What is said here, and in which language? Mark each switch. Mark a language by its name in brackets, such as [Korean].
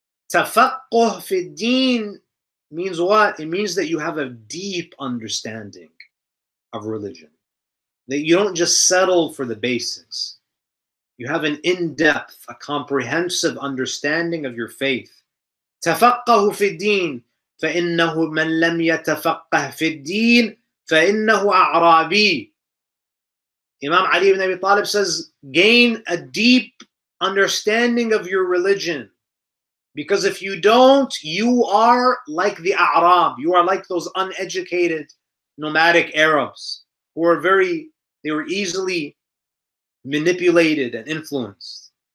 [English] Tafaqquh fi al-deen means what? It means that you have a deep understanding of religion. That you don't just settle for the basics. You have an in-depth, a comprehensive understanding of your faith. [Arabic] Tafaqquh fi al-deen, فَإِنَّهُ مَنْ لَمْ يَتَفَقَّهْ فِي الدِّينِ فَإِنَّهُ أَعْرَابِي. [English] Imam Ali ibn Abi Talib says, gain a deep understanding of your religion. Because if you don't, you are like the A'rab. You are like those uneducated nomadic Arabs who are they were easily manipulated and influenced.